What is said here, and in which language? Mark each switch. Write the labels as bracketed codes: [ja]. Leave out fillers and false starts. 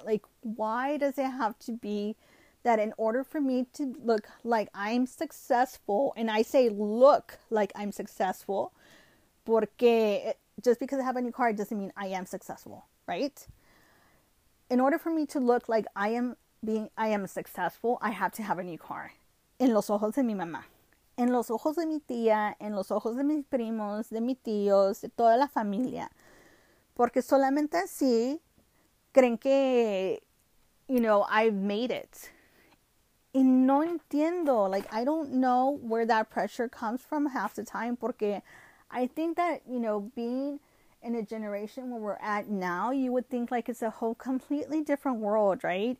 [en] Like, why does it have to be that in order for me to look like I'm successful, and I say look like I'm successful, porque just because I have a new car doesn't mean I am successful, right? In order for me to look like I am I am successful, I have to have a new car. [es] En los ojos de mi mamá, en los ojos de mi tía, en los ojos de mis primos, de mis tíos, de toda la familia. Porque solamente así creen que, you know, [en] I've made it. [es] Y no entiendo, [en] like, I don't know where that pressure comes from half the time. Porque I think that, you know, being in a generation where we're at now, you would think like it's a whole completely different world, right?